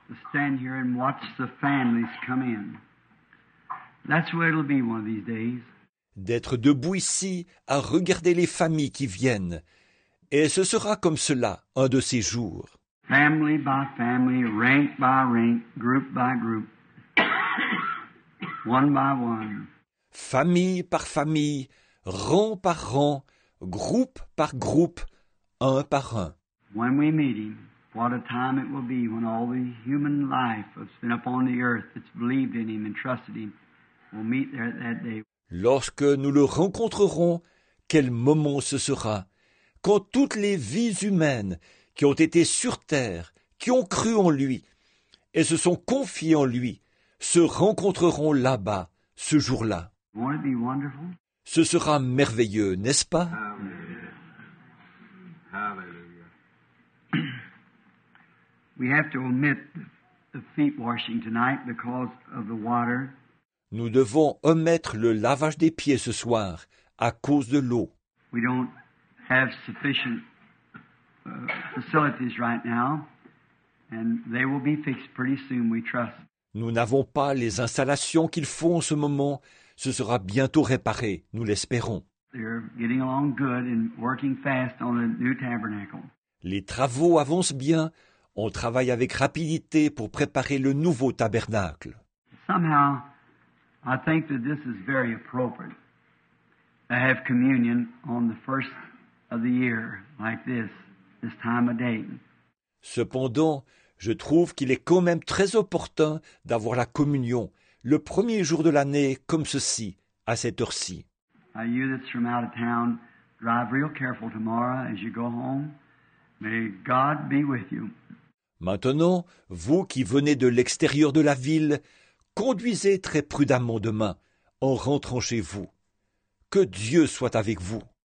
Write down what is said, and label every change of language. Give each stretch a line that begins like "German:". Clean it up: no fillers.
English: Stand here and watch the families come in. That's where it'll be one of these days.
French: D'être debout ici à regarder les familles qui viennent, et ce sera comme cela un de ces jours.
English: Family by family, rank by rank, group by group, one by one.
French: Famille par famille, rang par rang, groupe par groupe, un par un.
English: When we meet him. What a time it will be when all the human life that's been upon the earth that's believed in him and trusted him will meet there that day.
French: Lorsque nous le rencontrerons, quel moment ce sera, quand toutes les vies humaines qui ont été sur terre, qui ont cru en lui et se sont confiées en lui, se rencontreront là-bas, ce jour-là.
English: Won't it be wonderful?
French: Ce sera merveilleux, n'est-ce pas?
English: Hallelujah. Hallelujah. We have to omit the feet washing tonight because of the water.
French: Nous devons omettre le lavage des pieds ce soir à cause de l'eau.
English: We don't have sufficient facilities right now, and they will be fixed pretty soon, we trust.
French: Nous n'avons pas les installations qu'il faut en ce moment. Ce sera bientôt réparé, nous l'espérons.
English: They're getting along good and working fast on the new tabernacle.
French: Les travaux avancent bien. On travaille avec rapidité pour préparer le nouveau tabernacle.
English: Somehow, I think that this is very appropriate to have communion on the first of the year like this, this time of day.
French: Cependant, je trouve qu'il est quand même très opportun d'avoir la communion le premier jour de l'année comme ceci, à cette heure-ci.
English: You that's from out of town, drive real careful tomorrow as you go home. May God be with you.
French: Maintenant, vous qui venez de l'extérieur de la ville, conduisez très prudemment demain en rentrant chez vous. Que Dieu soit avec vous.